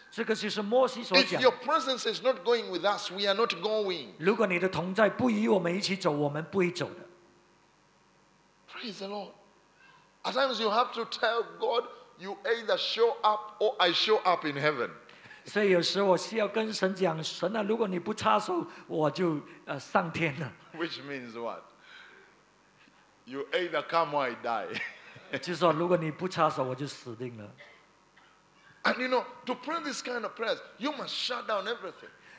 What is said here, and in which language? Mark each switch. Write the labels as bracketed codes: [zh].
[en] If your presence is not going with us, we are not going. [zh] 如果你的同在不与我们一起走，我们不会走的。 [en] Praise the Lord. At times you have to tell God, you either show up or I show up in heaven. [zh] 所以有时我需要跟神讲，神啊，如果你不插手，我就上天了。 [en] Which means what? You either come or I die. [zh] 就是说如果你不插手我就死定了。 [en] And you know, to pray this kind of prayers, you must shut down everything.